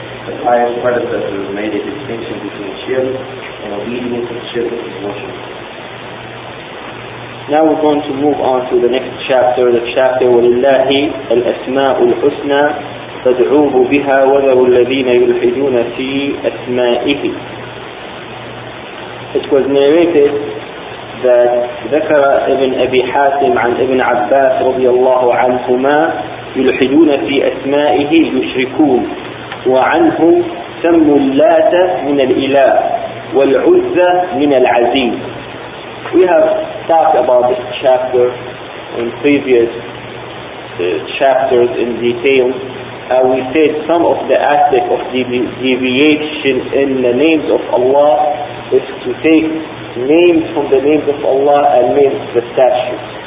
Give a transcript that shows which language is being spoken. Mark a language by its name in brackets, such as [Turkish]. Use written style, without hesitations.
[English] The pious predecessors made a distinction between shirk and obedience of shirk to worship. Now we're going to move on to the next chapter, the chapter [Arabic] وَلِلَّهِ الْأَسْمَاءُ الْحُسْنَى فَادْعُوهُ بِهَا وَذَرُوا الَّذِينَ يُلْحِدُونَ فِي أَسْمَائِهِ. [English] It was narrated that [Arabic] ذكر ابن أبي حاتم عن ابن عباس رضي الله عنهما يلحدون في أسمائه يشركون وعنه سموا اللات من الإله والعزة من العزيز. [English] We have talked about this chapter in previous chapters in detail. We said some of the aspects of deviation in the names of Allah is to take names from the names of Allah and make the statue.